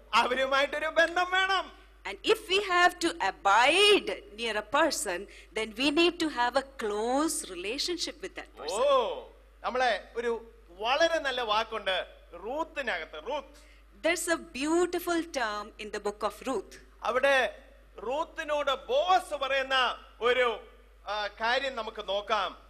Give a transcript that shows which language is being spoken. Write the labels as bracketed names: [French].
[Malayalam] അവരുമായിട്ടൊരു ബന്ധം വേണം. [English] And if we have to abide near a person, then we need to have a close relationship with that person. [Malayalam] നമ്മളെ ഒരു വളരെ നല്ല വാക്കുണ്ട് റൂത്തിനകത്ത്. Ruth, [English] there's a beautiful term in the book of Ruth. [Malayalam] അവിടെ റൂത്തിനോട് boss പറയുന്ന ഒരു കാര്യം നമുക്ക് നോക്കാം.